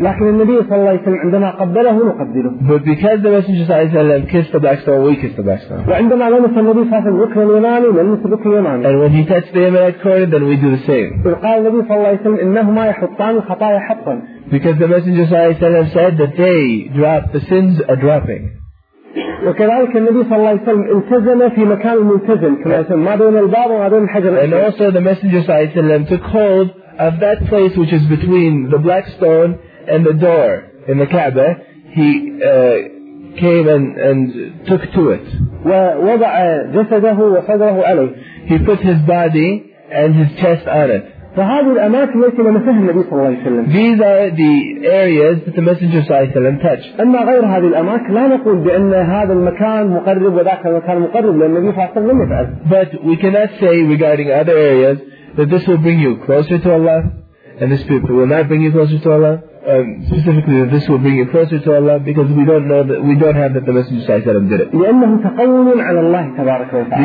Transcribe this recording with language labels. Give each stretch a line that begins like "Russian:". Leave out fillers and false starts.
English: But because the Messenger sallallahu alayhi wa sallam kissed the black stone, we kissed the black stone. And when he touched the Yamanite corner, then we do the same. Because the Messenger sallallahu alayhi wa sallam said that they drop, the sins are dropping.
Arabic: وكذلك النبي صلى الله عليه وسلم التزم في مكان ملتزم كما يسمى ما بين الباب وما بين الحجر.
English: And also the Messenger صلى الله عليه وسلم took hold of that place which is between the black stone and the door in the Kaaba. He came and took to it.
Arabic: ووضع جسده وصدره عليه.
English: He put his body and his chest on it.
Arabic: فهذه الأماكن التي لمسها النبي صلى الله عليه وسلم.
English: These are the areas that the Messenger صلى الله عليه وسلم touched.
Arabic: أما غير هذه الأماكن لا نقول بأن هذا المكان مقرب وذاك المكان مقرب لأن النبي صلى الله عليه وسلم لم يفعل.
English: But we cannot say regarding other areas that this will bring you closer to Allah and this will not bring you closer to Allah. Specifically, that this will bring you closer to Allah because we don't know that we don't have that the Messenger صلى الله عليه وسلم did it.
Arabic: لأنه تقول على الله تبارك وتعالى.